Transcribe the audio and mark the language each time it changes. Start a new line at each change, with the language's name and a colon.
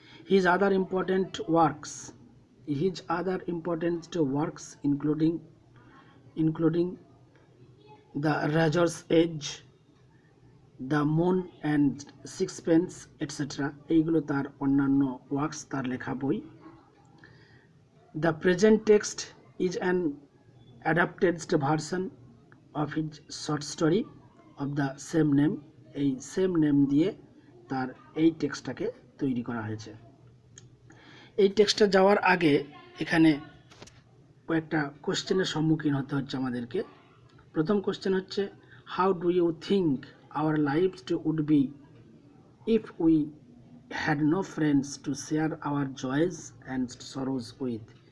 English: his other important works, his other important works including the razor's edge, the moon and sixpence etcetera,
Bangla: এইগুলো তার অন্যান্য works, তার লেখা বই।
English: The present text is an adapted version of his short story of the same name.
Bangla: এই same name দিয়ে তার এই টেক্সটটাকে তৈরি করা হয়েছে। এই টেক্সটটা যাওয়ার আগে এখানে কয়েকটা কোশ্চেনের সম্মুখীন হতে হচ্ছে আমাদেরকে। প্রথম কোশ্চেন হচ্ছে,
English: How do you think our lives would be if we had no friends to share our joys and sorrows with.